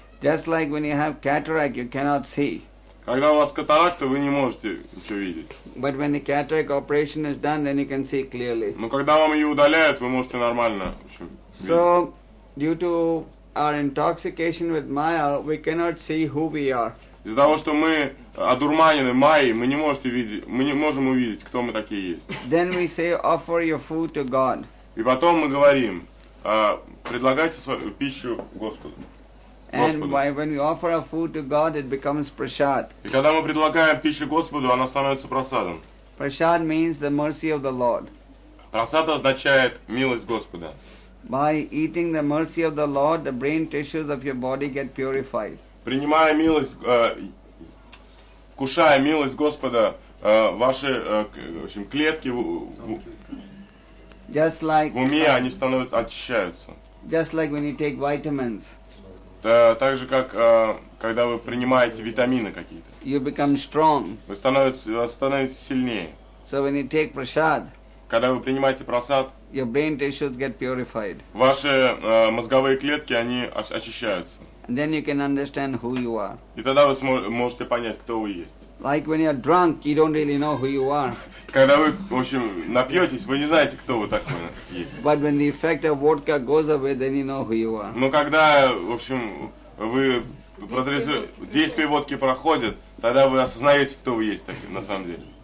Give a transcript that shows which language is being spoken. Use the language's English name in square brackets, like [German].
[English] Just like when you have cataract, you cannot see. [Russian] Когда у вас катаракта, вы не можете ничего видеть. [English] But when the cataract operation is done, then you can see clearly. [Russian] Но когда вам ее удаляют, вы можете нормально видеть. [English] So, due to our intoxication with Maya, we cannot see who we are. [Russian] Из-за того, что мы одурманены майей, мы не можем увидеть, кто мы такие есть. [English] Then we say, offer your food to God. [Russian] И потом мы говорим, предлагайте свою пищу Господу. [English] And when we offer our food to God, it becomes prasad. [Russian] И когда мы предлагаем пищу Господу, она становится прасадом. [English] Prasad means the mercy of the Lord. [Russian] Прасад означает милость Господа. [English] By eating the mercy of the Lord, the brain tissues of your body get purified. [Russian] Принимая милость, вкушая милость Господа, ваши, в общем, клетки [English] just like, [Russian] в уме, они становятся, очищаются. [English] Just like when you take vitamins. [Russian] Так же, как когда вы принимаете витамины какие-то. [English] You become strong. [Russian] Вы становитесь сильнее. [English] So when you take prasad, [Russian] когда вы принимаете просад, [English] your brain tissues get purified. [Russian] Ваши мозговые клетки, они очищаются. [English] And then you can understand who you are. [Russian] И тогда вы можете понять, кто вы есть. [English] Like when you're drunk, you don't really know who you are. [Russian] Когда вы, в общем, напьетесь, вы не знаете, кто вы такой есть. [English] But when the effect of vodka goes away, then you know who you are. [Russian] Но когда, в общем, вы действие водки проходит, тогда вы осознаете, кто вы есть так, на самом деле.